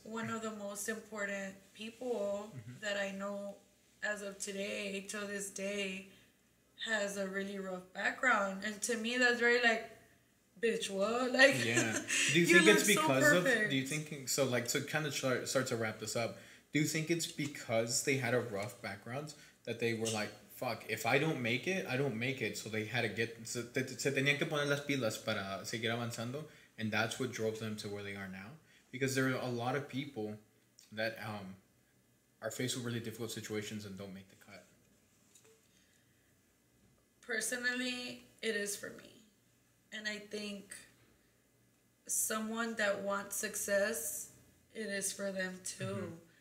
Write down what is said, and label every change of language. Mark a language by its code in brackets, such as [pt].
[en] One of the most important people that I know as of today, till this day, has a really rough background. And to me, that's very like, bitch, what? Like, yeah. Do you think it's because of... Do you think... So like, to kind of start to wrap this up, do you think it's because they had a rough background that they were like, fuck, if I don't make it, I don't make it. So they had to get... [es] Se tenían que poner las pilas para seguir avanzando. [en] And that's what drove them to where they are now. Because there are a lot of people that are faced with really difficult situations and don't make the cut. Personally, it is for me. And I think someone that wants success, it is for them too.